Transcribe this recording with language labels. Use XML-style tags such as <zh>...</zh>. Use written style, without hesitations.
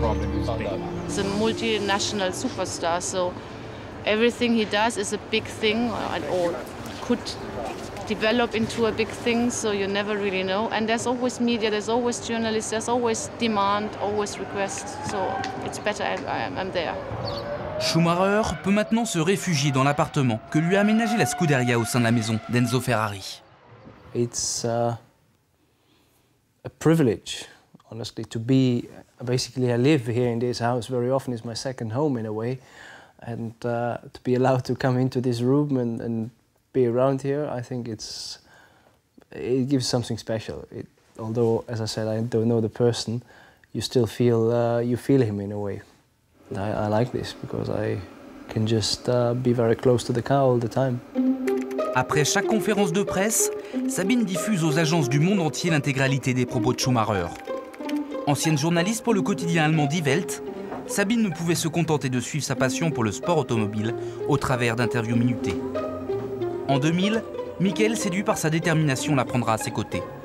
<en>It's a multinational superstar, so everything he does is a big thing, or could develop into a big thing, so you never really know. And there's always media, there's always journalists, there's always demand, always requests, so it's better I'm there.</en> <fr>Schumacher peut maintenant se réfugier dans l'appartement que lui a aménagé la Scuderia au sein de la maison d'Enzo Ferrari.</fr> <en>It's a privilege, honestly, to be, basically I live here in this house very often, it's my second home in a way, and to be allowed to come into this room and be around here, I think it gives something special. Although, as I said, I don't know the person, you still feel, you feel him in a way. I like this because I can just be very close to the car all the time.</en> <fr>Après chaque conférence de presse, Sabine diffuse aux agences du monde entier l'intégralité des propos de Schumacher. Ancienne journaliste pour le quotidien allemand Die Welt, Sabine ne pouvait se contenter de suivre sa passion pour le sport automobile au travers d'interviews minutées. En 2000, Michael, séduit par sa détermination, la prendra à ses côtés.</fr>